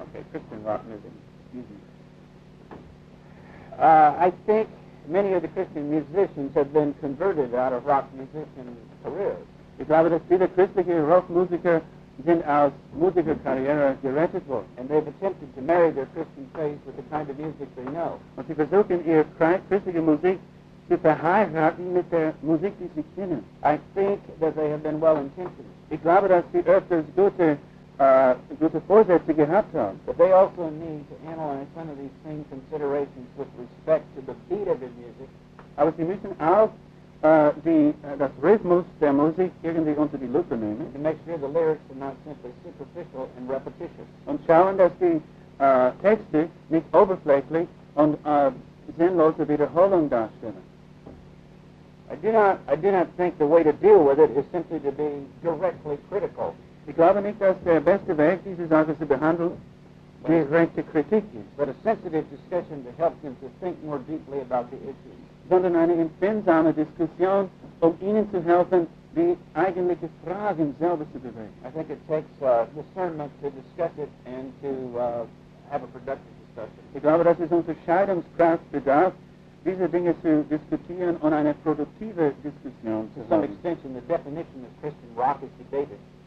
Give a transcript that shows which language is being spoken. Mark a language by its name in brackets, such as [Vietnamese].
[English] Christian rock music. I think many of the Christian musicians have been converted out of rock musician careers. [German] Ich glaube, dass viele christliche Rockmusiker sind aus Musikerkarriere gerettet worden. [English] And they've attempted to marry their Christian faith with the kind of music they know. [German] Und sie versuchen, ihr christliche Musik zu verheiraten mit der Musik, die sie kennen. [English] I think that they have been well intentioned. [German] Ich glaube, dass sie öfters gute Vorsätze gehabt haben. [English] But they also need to analyze some of these same considerations with respect to the beat of their music. [German] Aber sie müssen auch das Rhythmus der Musik irgendwie unter die Lupe nehmen. [English] To make sure the lyrics are not simply superficial and repetitious. [German] Und schauen, dass die Texte nicht oberflächlich und sinnlose Wiederholung darstellen. [English] I do not think the way to deal with it is simply to be directly critical. [German] Ich glaube nicht, dass der beste Weg, diese Sache zu behandeln, direkte Kritik ist. [English] But a sensitive discussion to help them to think more deeply about the issues. [German] Sondern eine empfindsame Diskussion, um ihnen zu helfen, die eigentliche Fragen selber zu bewegen. [English] I think it takes discernment to discuss it and to have a productive discussion. [German] Ich glaube, dass es unter Scheidungskraft bedarf, diese Dinge zu diskutieren und eine produktive Diskussion zu haben. [English] To some extension, the definition of Christian rock is debated.